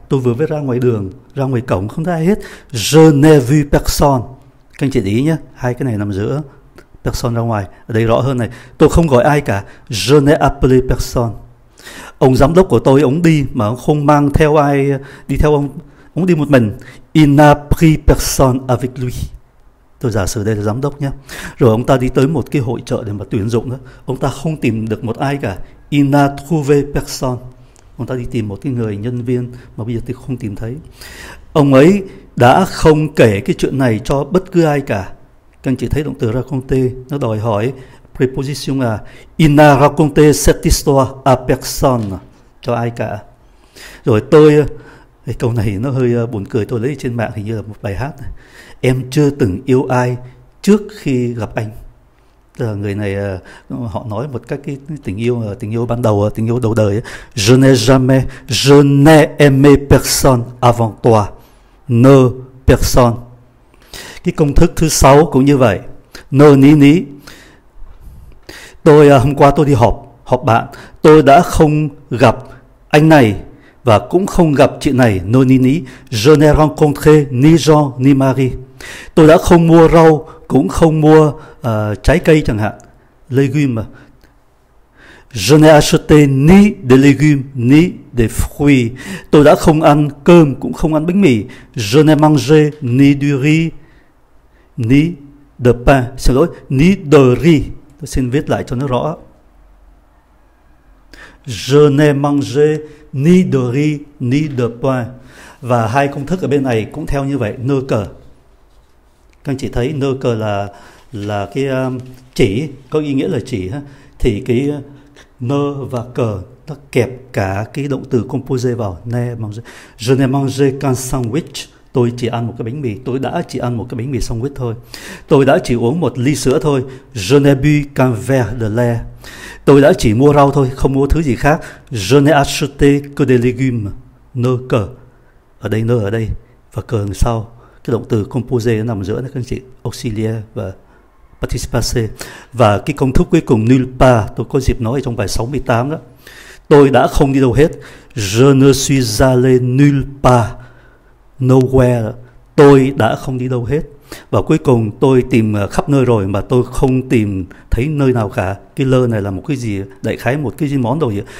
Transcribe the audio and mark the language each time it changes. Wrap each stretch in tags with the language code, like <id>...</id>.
<vi>Tôi vừa mới ra ngoài đường, ra ngoài cổng không thấy ai hết.</vi> <fr>Je n'ai vu personne.</fr> <vi>Các anh chị để ý nhé, hai cái này nằm giữa. Personne ra ngoài, ở đây rõ hơn này. Tôi không gọi ai cả.</vi> <fr>Je n'ai appelé personne.</fr> <vi>Ông giám đốc của tôi, ông đi mà không mang theo ai, đi theo ông. Ông đi một mình.</vi> <fr>Il n'a pris personne avec lui.</fr> <vi>Tôi giả sử đây là giám đốc nhé. Rồi ông ta đi tới một cái hội chợ để mà tuyển dụng đó. Ông ta không tìm được một ai cả. Il n'a trouvé personne. Ông ta đi tìm một cái người nhân viên mà bây giờ tôi không tìm thấy. Ông ấy đã không kể cái chuyện này cho bất cứ ai cả. Các anh chị thấy động từ raconter, nó đòi hỏi preposition à. Il n'a raconté cette histoire à personne, cho ai cả. Rồi tôi, câu này nó hơi buồn cười, tôi lấy trên mạng hình như là một bài hát này. Em chưa từng yêu ai trước khi gặp anh. Là người này họ nói một cách cái tình yêu ban đầu, tình yêu đầu đời.</vi> <fr>Je n'ai jamais, je n'ai aimé personne avant toi, ne personne.</fr> <vi>Cái công thức thứ sáu cũng như vậy. Ne ni ni. Tôi hôm qua tôi đi họp bạn, tôi đã không gặp anh này và cũng không gặp chị này.</vi> <fr>Ne ni ni. Je n'ai rencontré ni Jean ni Marie.</fr> <vi>Tôi đã không mua rau, cũng không mua trái cây chẳng hạn, légumes.</vi> <fr>Je n'ai acheté ni des légumes ni des fruits.</fr> <vi>Tôi đã không ăn cơm, cũng không ăn bánh mì.</vi> <fr>Je n'ai mangé ni du riz ni de pain.</fr> <vi>Xin lỗi,</vi> <fr>ni de riz.</fr> <vi>Tôi xin viết lại cho nó rõ.</vi> <fr>Je n'ai mangé ni de riz ni de pain.</fr> <vi>Và hai công thức ở bên này cũng theo như vậy. Ne que. Các anh chị thấy nơ cờ là cái chỉ, có ý nghĩa là chỉ ha. Thì cái nơ và cờ nó kẹp cả cái động từ composé vào.</vi> <fr>Ne mangé. Je n'ai mangé qu'un sandwich.</fr> <vi>Tôi chỉ ăn một cái bánh mì. Tôi đã chỉ ăn một cái bánh mì sandwich thôi. Tôi đã chỉ uống một ly sữa thôi.</vi> <fr>Je n'ai bu qu'un verre de lait.</fr> <vi>Tôi đã chỉ mua rau thôi, không mua thứ gì khác.</vi> <fr>Je n'ai acheté que des légumes.</fr> <vi>Nơ cờ. Ở đây nơ ở đây. Và cờ đằng sau. Cái động từ composé nó nằm giữa này các anh chị, auxilia và participase. Và cái công thức cuối cùng, nulle part, tôi có dịp nói ở trong bài 68 đó. Tôi đã không đi đâu hết.</vi> <fr>Je ne suis allé nulle part, nowhere.</fr> <vi>Tôi đã không đi đâu hết. Và cuối cùng tôi tìm khắp nơi rồi mà tôi không tìm thấy nơi nào cả. Cái lơ này là một cái gì, đại khái một cái gì món đồ gì.</vi>